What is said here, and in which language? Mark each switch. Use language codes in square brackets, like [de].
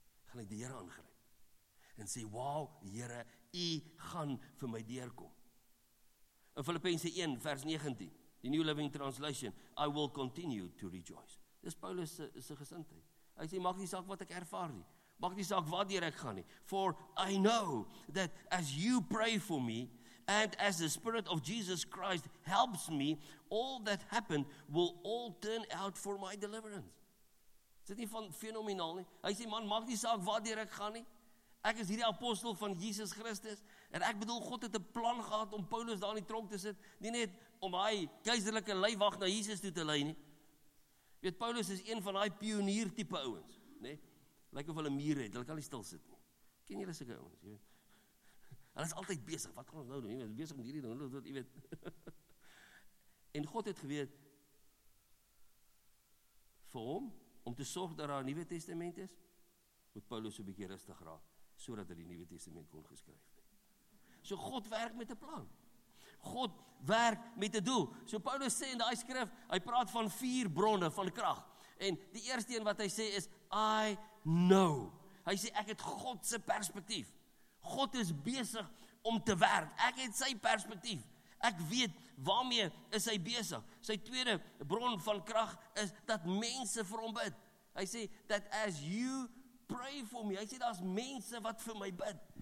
[af] Gaan ek die Here aangryp? En sê, wow, Here, U gaan vir my deurkom. In Filippense 1 vers 19. Die New Living Translation, [en] I will continue to rejoice. [af] Dis Paulus se gesindheid. Hy sê, maak nie saak wat ek ervaar nie. Maak nie saak wat deur ek gaan nie. [en] For I know that as you pray for me, and as the Spirit of Jesus Christ helps me, all that happened will all turn out for my deliverance. [af] Is dit nie van fenomenaal nie? Hy sê, man, maak nie saak wat deur ek gaan nie. Ek is hierdie apostel van Jesus Christus, en ek bedoel, God het 'n plan gehad om Paulus daar in die tronk te sit, nie net om hy keiserlike leiwag na Jesus toe te lei nie. Weet, Paulus is een van die pionier type ouwens, nie? Lyk of hulle mure het, hulle kan nie stil sit nie. Ken jy sulke ouwens? Hulle is altyd besig, wat gaan ons nou doen? Hulle is besig met hierdie ding, jy weet. En God het geweet, vir hom, om te sorg dat daar 'n Nuwe Testament is, moet Paulus so 'n bietjie rustig raak, sodat hy die Nuwe Testament kon geskryf. So God werk met 'n plan. God werk met 'n doel. So Paulus sê in die skrif, hy praat van vier bronne van krag. En die eerste een wat hy sê is, [en] I know. [af] Hy sê, ek het God se perspektief. God is besig om te werk. Ek het sy perspektief. Ek weet waarmee is hy besig. Sy tweede bron van krag is dat mense vir hom bid. Hy sê, [en] that as you pray for me. [af] Hy sê, daar is mense wat vir my bid.